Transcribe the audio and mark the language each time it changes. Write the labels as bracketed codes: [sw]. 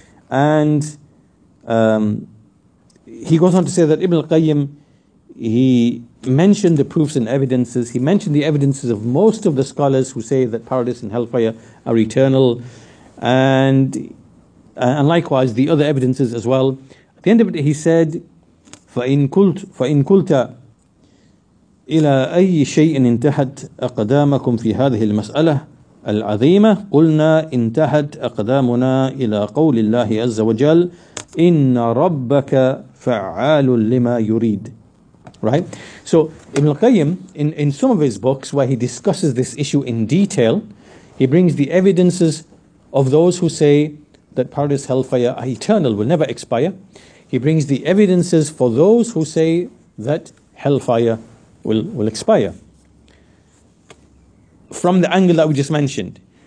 [en] And he goes on to say that Ibn al-Qayyim, he mentioned the proofs and evidences. He mentioned the evidences of most of the scholars who say that paradise and hellfire are eternal. And likewise, the other evidences as well. At the end of it, he said, [ar] فَإِن كُلْتَ إِلَىٰ أَيِّ شَيْءٍ انْتَهَتْ أَقْدَامَكُمْ فِي هَذِهِ الْمَسْأَلَةِ الْعَظِيمَةِ قُلْنَا انْتَهَتْ أَقْدَامُنَا إِلَىٰ قَوْلِ اللَّهِ عَزَّ وَجَلْ إِنَّ رَبَّكَ فَعَالٌ لِمَا يُرِيدٌ. [en] Right? So Ibn al-Qayyim, in some of his books where he discusses this issue in detail, he brings the evidences of those who say that paradise, hellfire are eternal, will never expire. He brings the evidences for those who say that hellfire will expire, from the angle that we just mentioned.